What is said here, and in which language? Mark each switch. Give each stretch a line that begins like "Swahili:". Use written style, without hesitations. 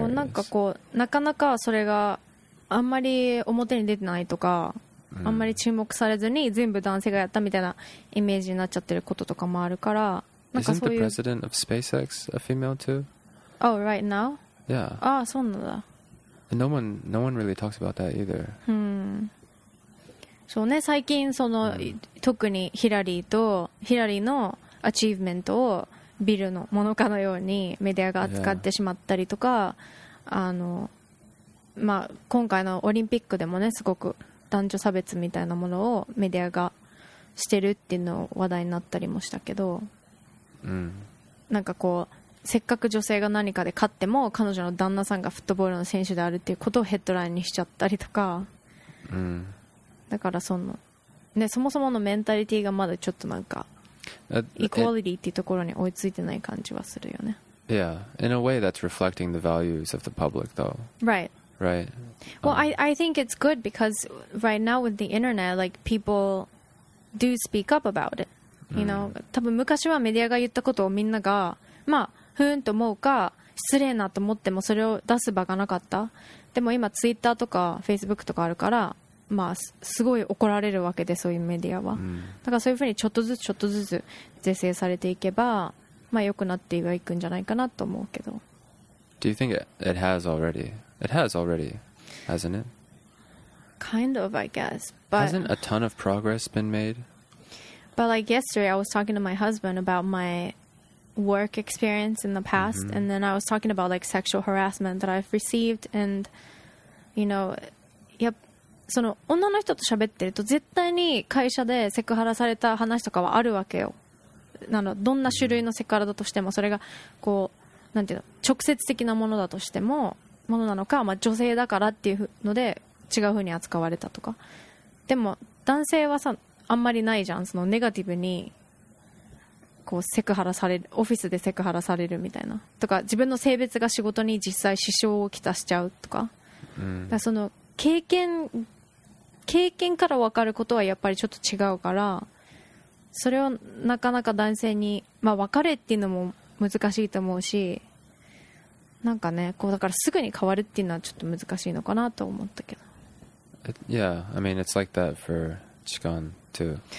Japanese: そう、なんかこう、なかなかそれがあんまり表に出てないとか、あんまり注目されずに全部男性がやったみたいなイメージになっちゃってることとかもあるから、なんかそういう。
English: Isn't the president of SpaceX a female too? Oh, right now? Yeah.
Japanese: ああ、そうなんだ。
English: No one really talks about that either.
Japanese: そうね、最近その、特にヒラリーとヒラリーのアチーブメントをビルのものかのようにメディアが扱ってしまったりとか、あの、まあ、今回のオリンピックでもねすごく男女差別みたいなものをメディアがしてるっていうのを話題になったりもしたけど、なんかこうせっかく女性が何かで勝っても彼女の旦那さんがフットボールの選手であるっていうことをヘッドラインにしちゃったりとか、だからその、ね、そもそものメンタリティがまだちょっとなんかイコーリティっていうところに追いついてない感じはするよね。
English: Yeah, in a way that's reflecting the values of the public though. Right. Right. Well, I think it's good because right now with the internet, like people do speak up about it. You know,
Japanese: 多分昔はメディアが言ったことをみんなが、まあ、ふーんと思うか、失礼なと思ってもそれを出す場がなかった。でも今ツイッターとかフェイスブックとかあるから、まあ、すごい怒られるわけで、そういうメディアは。だからそういうふうにちょっとずつちょっとずつ是正されていけば、まあ、良くなっていくんじゃないかなと思うけど。
English: Do you think it has already? It has already, hasn't it? Kind of, I guess. But hasn't a ton of progress been made? But like yesterday, I was talking to my husband about my work experience in the past, mm-hmm. and then I was talking about like sexual harassment that I've received, and you know, yep.
Japanese: その女の人と喋ってると絶対に会社でセクハラされた話とかはあるわけよ。なのどんな種類のセクハラだとしても、それがこうなんていうの直接的なものだとしてもものなのか、まあ、女性だからっていうので違う風に扱われたとか。でも男性はさあんまりないじゃん、そのネガティブにこうセクハラされる、オフィスでセクハラされるみたいなとか、自分の性別が仕事に実際支障をきたしちゃうとか、だからその経験から分かることはやっぱりちょっと違うから、それをなかなか男性に、まあ、分かれっていうのも難しいと思うし、なんかね、こうだからすぐに変わるっていうのはちょっと難しいのかなと思ったけど。
English: Yeah, I mean it's like that for Chikan too.